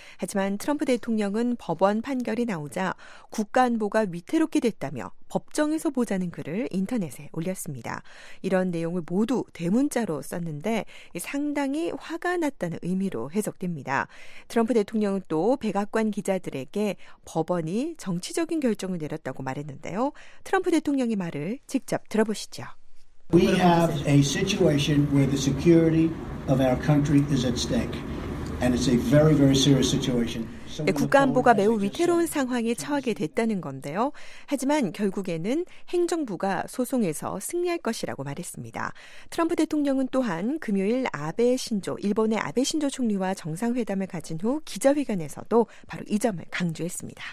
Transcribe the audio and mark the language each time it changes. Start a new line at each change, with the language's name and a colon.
Korean: 하지만 트럼프 대통령은 법원 판결이 나오자 국가안보가 위태롭게 됐다며 법정에서 보자는 글을 인터넷에 올렸습니다. 이런 내용을 모두 대문자로 썼는데 상당히 화가 났다는 의미로 해석됩니다. 트럼프 대통령은 또 백악관 기자들에게 법원이 정치적인 결정을 내렸다고 말했는데요. 트럼프 대통령의 말을 직접 들어보시죠.
English: We have a situation where the security of our country is at stake, and it's a very, very serious situation.
Korean: 네, 국가안보가 매우 위태로운 상황에 처하게 됐다는 건데요. 하지만 결국에는 행정부가 소송에서 승리할 것이라고 말했습니다. 트럼프 대통령은 또한 금요일 아베 신조, 일본의 아베 신조 총리와 정상회담을 가진 후 기자회견에서도 바로 이 점을 강조했습니다.